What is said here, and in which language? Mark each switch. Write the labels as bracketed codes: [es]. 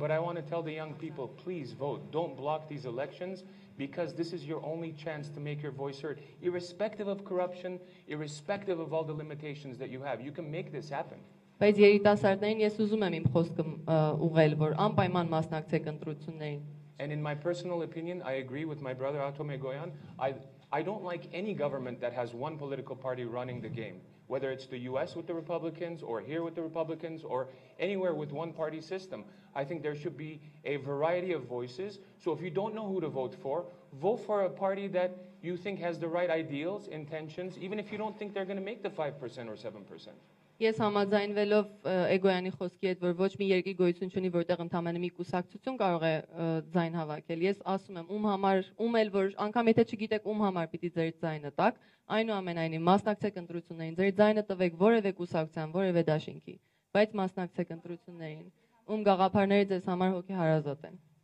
[en] But I want to tell the young people, please vote. Don't block these elections. Because this is your only chance to make your voice heard, irrespective of corruption, irrespective of all the limitations that you have, you can make this happen. [hy] Բայց երիտասարդներին ես ուզում եմ իմ խոսքը ուղղել, որ անպայման մասնակցեք ընտրություններին. [en] And in my personal opinion, I agree with my brother Ato Megoyan. I don't like any government that has one political party running the game, whether it's the US with the Republicans or here with the Republicans or anywhere with one party system. I think there should be a variety of voices. So if you don't know who to vote for a party that you think has the right ideals, intentions, even if you don't think they're going to make the 5% or 7%. [hy] Ես համաձայնվելով Էգոյանի խոսքի հետ, որ ոչ մի երկրի գոյություն չունի, որտեղ ընդամենը մի կուսակցություն կարող է ձայն հավաքել, ես ասում եմ, ում էլ, որ անգամ եթե չգիտեք ում համար պիտի ձեր ձայնը տաք, այնուամենայնիվ մասնակցեք ընտրություններին, ձեր ձայնը տվեք որևէ կուսակցության, որևէ դաշինքի, բայց մասնակցեք ընտրություններին, ում գաղափարները ձեզ համար հոգեհարազատ են։